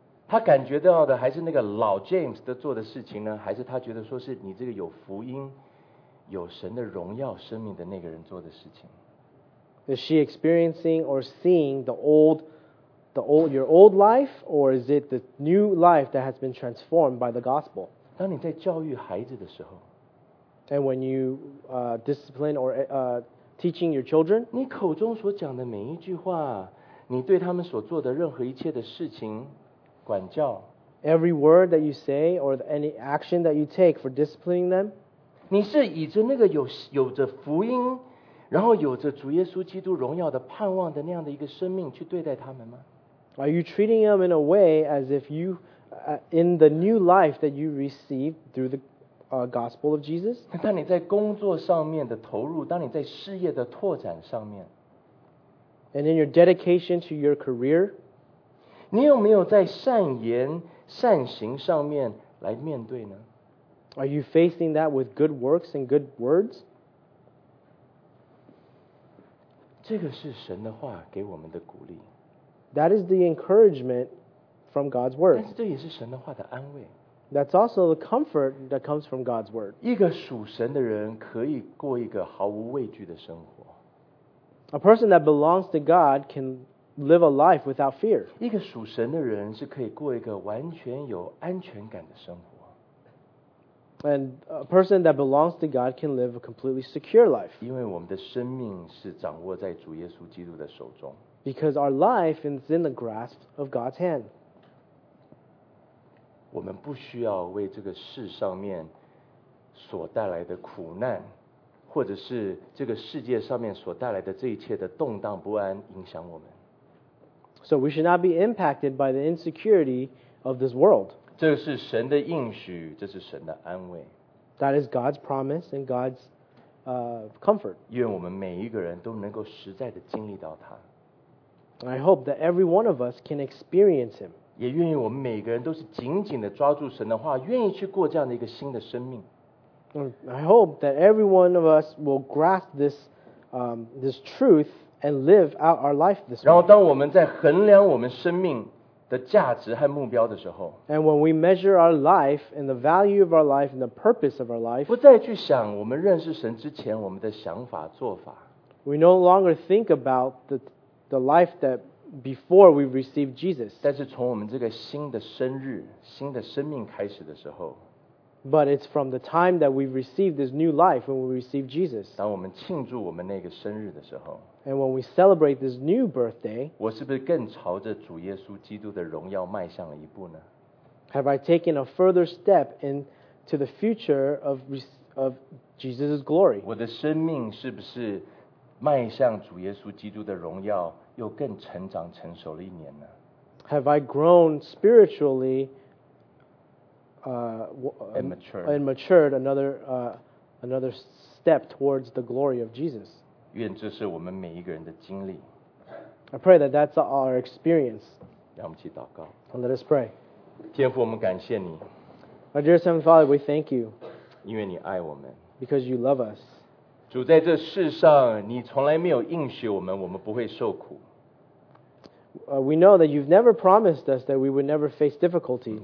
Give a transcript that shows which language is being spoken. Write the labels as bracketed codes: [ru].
[zh] 他感觉到的还是那个老 James 的做的事情呢，还是他觉得说是你这个有福音、有神的荣耀生命的那个人做的事情 [en] ？Is she experiencing or seeing your old life, or is it the new life that has been transformed by the gospel? [zh] 当你在教育孩子的时候 [en] ，and when you discipline or teaching your children, [zh] 你口中所讲的每一句话，你对他们所做的任何一切的事情。管教 [en] every word that you say or any action that you take for disciplining them, [zh] 你是以着那个有着福音，然后有着主耶稣基督荣耀的盼望的那样的一个生命去对待他们吗？ [en] Are you treating them in a way as if you in the new life that you received through the gospel of Jesus? [zh] 当你在工作上面的投入，当你在事业的拓展上面 [en] ，and in your dedication to your career. [zh] 你有没有在善言善行上面来面对呢？ [en] Are you facing that with good works and good words? [zh] 这个是神的话给我们的鼓励。 [en] That is the encouragement from God's word. [zh] 但是这也是神的话的安慰。 [en] That's also the comfort that comes from God's word. [zh] 一个属神的人可以过一个毫无畏惧的生活。 [en] A person that belongs to God can live a life without fear. [zh] 一个属神的人是可以过一个完全有安全感的生活。 [en] And a person that belongs to God can live a completely secure life. [zh] 因为我们的生命是掌握在主耶稣基督的手中。 [en] Because our life is in the grasp of God's hand. [zh] 我们不需要为这个世上面所带来的苦难，或者是这个世界上面所带来的这一切的动荡不安影响我们。 [en] So we should not be impacted by the insecurity of this world. [zh] 这是神的应许，这是神的安慰。 [en] That is God's promise and God's comfort. [zh] 愿我们每一个人都能够实在的经历到他。 [en] I hope that every one of us can experience Him. [zh] 也愿意我们每个人都是紧紧的抓住神的话，愿意去过这样的一个新的生命。 [en] I hope that every one of us will grasp this, this truth. And live out our life this way. [zh] 然后当我们在衡量我们生命的价值和目标的时候 [en] ，And when we measure our life and the value of our life and the purpose of our life, [zh] 不再去想我们认识神之前我们的想法做法 [en] ，We no longer think about the life that before we received Jesus. [zh] 但是从我们这个新的生日、新的生命开始的时候 [en] But it's from the time that we received this new life when we received Jesus. [zh] 当我们庆祝我们那个生日的时候， [en] And when we celebrate this new birthday, [zh] 我是不是更朝着主耶稣基督的荣耀迈向了一步呢？ [en] Have I taken a further step into the future of Jesus' glory? [zh] 我的生命是不是迈向主耶稣基督的荣耀又更成长成熟了一年呢？ [en] Have I grown spiritually and matured another step towards the glory of Jesus? [zh] 愿这是我们每一个人的经历。 [en] I pray that that's our experience. [zh] 让我们一起祷告。 [en] And let us pray. [zh] 天父，我们感谢你。 [en] Our dearest Heavenly Father, we thank you. [zh] 因为你爱我们。 [en] Because you love us. [zh] 主，在这世上，你从来没有应许我们，我们不会受苦。 [en] We know that you've never promised us that we would never face difficulty.